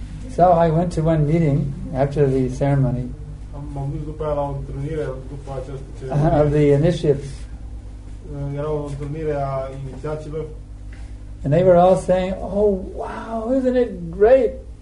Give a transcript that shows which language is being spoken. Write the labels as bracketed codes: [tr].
[en] So I went to one meeting after the ceremony. [ro] M-am dus după aia la o întâlnire după această ceremonie. [en] Of the initiates. [ro] Era o întâlnire a inițiaților. [en] And they were all saying, "Oh wow, isn't it great?"